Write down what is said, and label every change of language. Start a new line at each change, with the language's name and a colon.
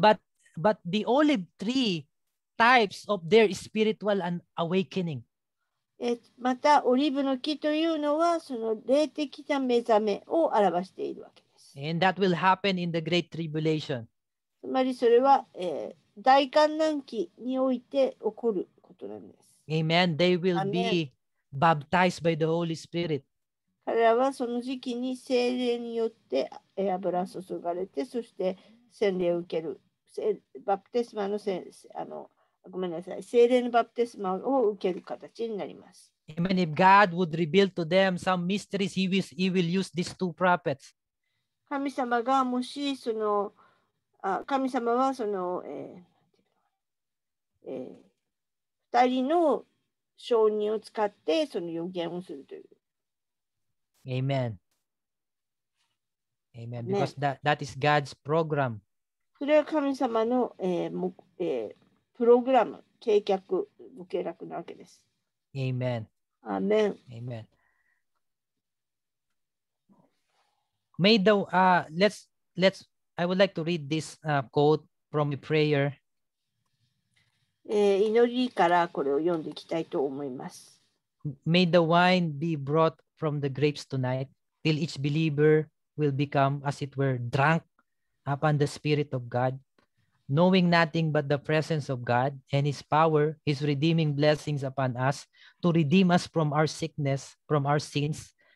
English: But the olive tree types of their spiritual and awakening.
Japanese: またオリーブの木というのはその霊的な目覚めを表しているわけです。
English: And that will happen in the great tribulation.
Japanese: つまりそれは大患難期において起こることなんです。
English: Amen. They will be baptized by the Holy Spirit.
Japanese: 彼らはその時期に聖霊によって油を注がれて、そして洗礼を受ける。バプテスマの洗礼、ごめんなさい、聖霊のバプテスマを受ける形になります。
English: Amen. If God would reveal to them some mysteries, he will use these two prophets.
Japanese: 神様がもしその、神様はその、二人の証人を使ってその予言をするという。
English: Amen. Amen. Because that is God's program.
Japanese: それは神様の、プログラム、計画、ご計画なわけです。
English: Amen. Amen. Amen. May the, let's, I would like to read this quote from a prayer.
Japanese: 祈りからこれを読んでいきたいと思います。
English: May the wine be brought from the grapes tonight, till each believer will become, as it were, drunk upon the Spirit of God, knowing nothing but the presence of God and His power, His redeeming blessings upon us, to redeem us from our sickness, from our sins,